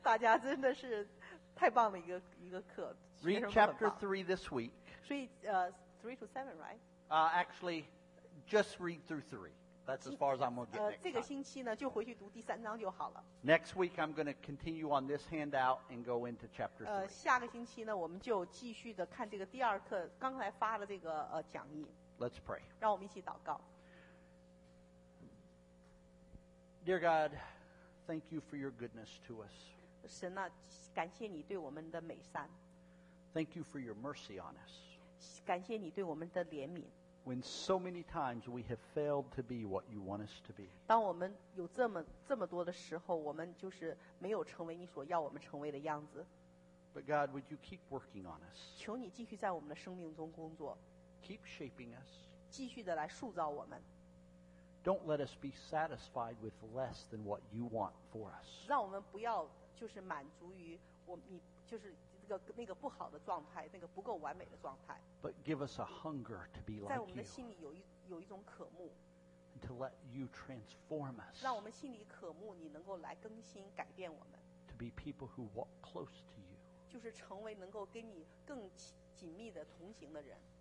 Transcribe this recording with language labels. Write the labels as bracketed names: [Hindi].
[Chinese] 大家真的是太棒的一个课 [English] Read chapter 3 this week [Chinese] 所以 [English] 3 to 7, right? Actually, just read through 3That's as far as I'm going to get next [Chinese] 这个星期呢就回去读第三章就好了 [English] Next week I'm going to continue on this handout and go into chapter 3 [Chinese] 下个星期呢我们就继续的看这个第二课刚才发的这个讲义 [English] Let's pray [Chinese] 让我们一起祷告 [English] Dear God, thank you for your goodness to us [Chinese] 神啊感谢你对我们的美善 [English] Thank you for your mercy on us [Chinese] 感谢你对我们的怜悯 [English] When so many times we have failed to be what you want us to be. [Chinese] 当我们有这么多的时候，我们就是没有成为你所要我们成为的样子。 [English] But God, would you keep working on us? [Chinese] 求你继续在我们的生命中工作。 [English] Keep shaping us. [Chinese] 继续的来塑造我们。 [English] Don't let us be satisfied with less than what you want for us. [Chinese] 让我们不要就是满足于我你就是这个那个不好的状态，那个不够完美的状态。 [English] But give us a hunger to be like you. [Chinese] 在我们的心里有一种渴慕。 [English] And to let you transform us. [Chinese] 让我们心里渴慕你能够来更新改变我们。 [English] To be people who walk close to you. [Chinese] 就是成为能够跟你更紧密的同行的人。